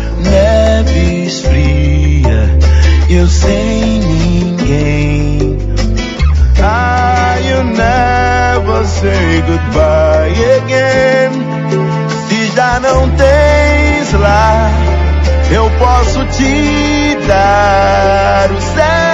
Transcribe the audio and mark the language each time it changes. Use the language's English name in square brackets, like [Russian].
[Portuguese] Neve esfria, eu sem ninguém. [English] I will never say goodbye again. [Portuguese] Se já não tens lá, eu posso te dar o céu.